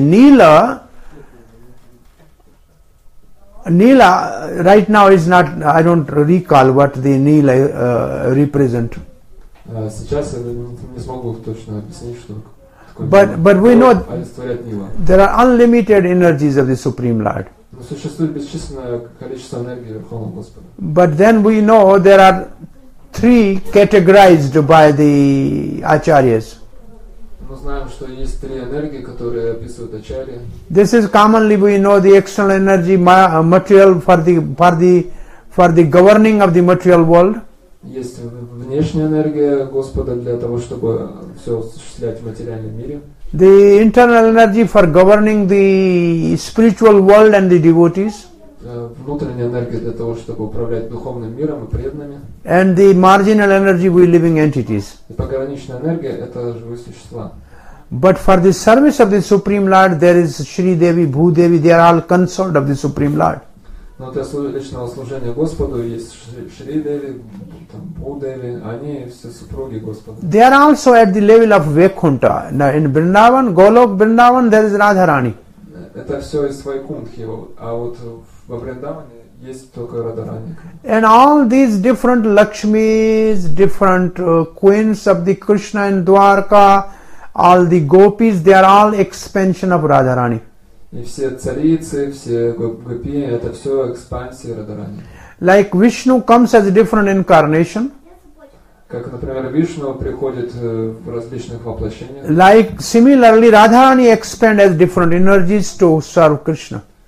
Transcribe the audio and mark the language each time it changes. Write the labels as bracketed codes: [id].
[en] Nila right now is not, I don't recall what the Nila represent. [ru] Сейчас я не смогу точно объяснить, что такое. [en] But we know there are unlimited energies of the Supreme Lord. [ru] Но существует бесчисленное количество энергии Верховного Господа. [en] But then we know there are three categorized by the Acharyas. [ru] Мы знаем, что есть три энергии, которые описывают Ачарьи. [en] This is commonly we know the external energy material for the governing of the material world. [ru] Есть внешняя энергия Господа для того, чтобы все осуществлять в материальном мире. [en] The internal energy for governing the spiritual world and the devotees. [ru] Внутренняя энергия для того, чтобы управлять духовным миром и преданными. [en] And the marginal energy we living entities. [ru] И пограничная энергия – это живые существа. [en] But for the service of the Supreme Lord, there is Shri Devi, Bhu Devi, they are all consort of the Supreme Lord. [ru] Но для личного служения Господу есть Шри Деви, Бу Деви, они все супруги Господа. [en] They are also at the level of Vaikuntha. Now in Vrindavan, Golok Vrindavan, there is Radharani. [ru] Это все из Вайкунтхи, а вот во Вриндаване есть только Радхарани. [en] And all these different Lakshmis, different queens of the Krishna in Dwarka, all the gopis, they are all expansion of Radharani. [ru] И все царицы, все гопи, это все экспансии Радхарани. [en] Like Vishnu comes as a different incarnation. [ru] Как, например, Вишну приходит в различных воплощениях. [en] Like similarly, Radharani expand as different energies to serve Krishna.